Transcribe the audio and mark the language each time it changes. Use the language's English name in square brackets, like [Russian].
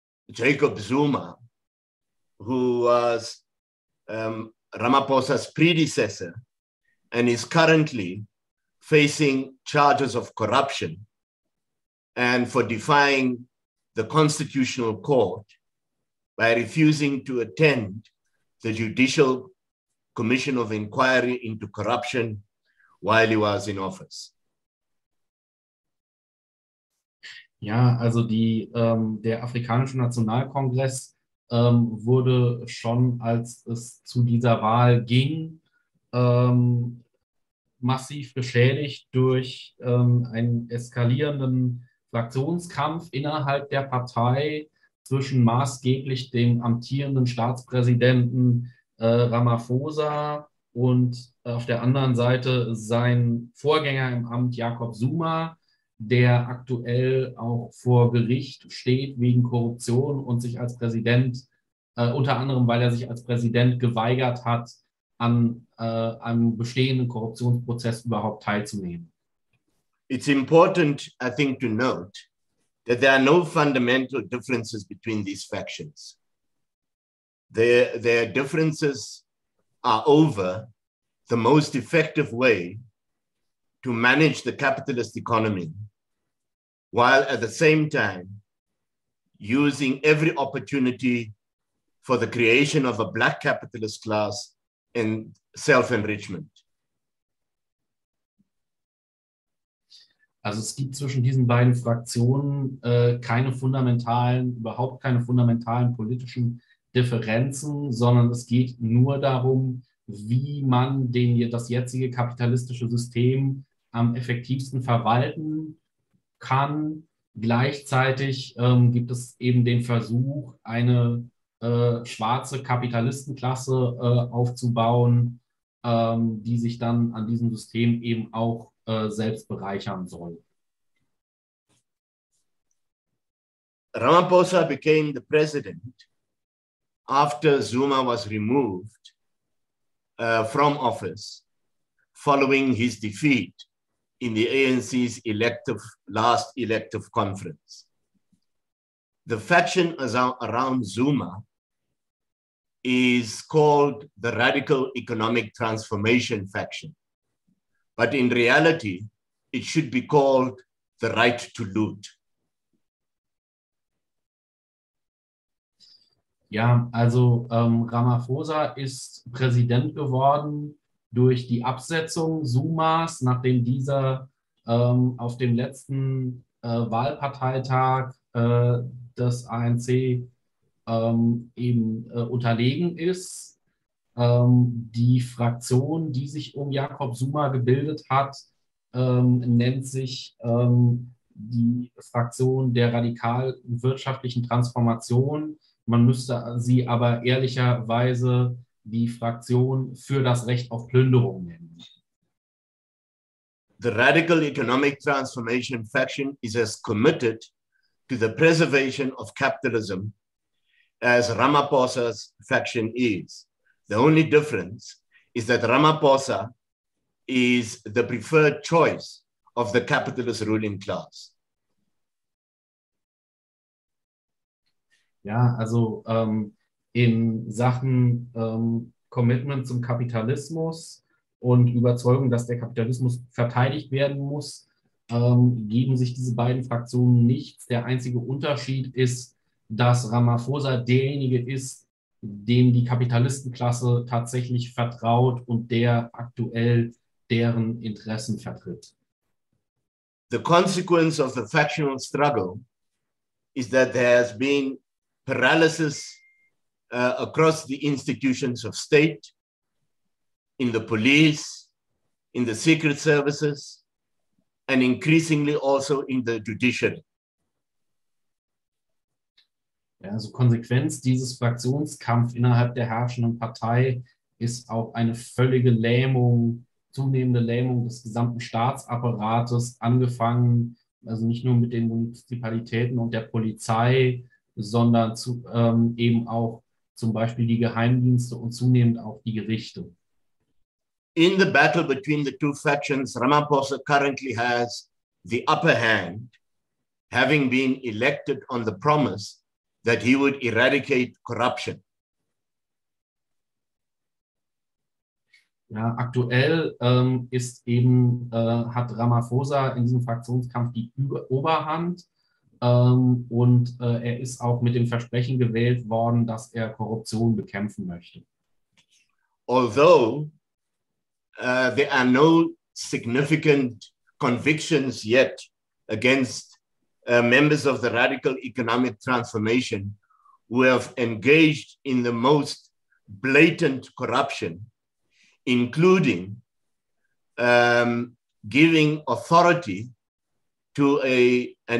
[English] Jacob Zuma, who was Ramaphosa's predecessor and is currently facing charges of corruption and for defying the Constitutional Court by refusing to attend the Judicial Commission of Inquiry into Corruption while he was in office. [German] Ja, also die der Afrikanische Nationalkongress wurde schon, als es zu dieser Wahl ging, massiv beschädigt durch einen eskalierenden Fraktionskampf innerhalb der Partei zwischen maßgeblich dem amtierenden Staatspräsidenten Ramaphosa und auf der anderen Seite sein Vorgänger im Amt Jacob Zuma, der aktuell auch vor Gericht steht wegen Korruption und sich als Präsident unter anderem, weil er sich als Präsident geweigert hat, an einem bestehenden Korruptionsprozess überhaupt teilzunehmen. [English] It's important, I think, to note that there are no fundamental differences between these factions. Their differences are over the most effective way to manage the capitalist economy, while at the same time using every opportunity for the creation of a black capitalist class in self-enrichment. [German] Also es gibt zwischen diesen beiden Fraktionen keine fundamentalen politischen Differenzen, sondern es geht nur darum, wie man das jetzige kapitalistische System am effektivsten verwalten kann. Gleichzeitig gibt es eben den Versuch, eine schwarze Kapitalistenklasse aufzubauen, die sich dann an diesem System eben auch selbst bereichern soll. [English] Ramaphosa became the president after Zuma was removed from office following his defeat in the ANC's last elective conference. The faction around Zuma is called the Radical Economic Transformation Faction. But in reality, it should be called the Right to Loot. [German] Ja, also Ramaphosa ist Präsident geworden durch die Absetzung Zumas, nachdem dieser auf dem letzten Wahlparteitag des ANC eben unterlegen ist. Die Fraktion, die sich um Jacob Zuma gebildet hat, nennt sich die Fraktion der radikalen wirtschaftlichen Transformation. Man müsste sie aber ehrlicherweise die Fraktion für das Recht auf Plünderung nennen. [English] The Radical Economic Transformation Faction is as committed to the preservation of capitalism as Ramaphosa's faction is. The only difference is that Ramaphosa is the preferred choice of the capitalist ruling class. [German] Ja, also in Sachen Commitment zum Kapitalismus und Überzeugung, dass der Kapitalismus verteidigt werden muss, geben sich diese beiden Fraktionen nichts. Der einzige Unterschied ist, dass Ramaphosa derjenige ist, dem die Kapitalistenklasse tatsächlich vertraut und der aktuell deren Interessen vertritt. [English] The consequence of the factional struggle is that there has been paralysis across the institutions of state, in the police, in the secret services, and increasingly also in the judiciary. [German] Ja, also Konsequenz dieses Fraktionskampfs innerhalb der herrschenden Partei ist auch eine völlige Lähmung, zunehmende Lähmung des gesamten Staatsapparates, angefangen also nicht nur mit den Municipalitäten und der Polizei, sondern zu, eben auch zum Beispiel die Geheimdienste und zunehmend auch die Gerichte. [English] In the battle between the two factions, Ramaphosa currently has the upper hand, having been elected on the promise that he would eradicate corruption. [German] Ja, aktuell ist eben hat Ramaphosa in diesem Fraktionskampf die Oberhand und er ist auch mit dem Versprechen gewählt worden, dass er Korruption bekämpfen möchte. [English] Although there are no significant convictions yet against members of the Radical Economic Transformation who have engaged in the most blatant corruption, including giving authority to a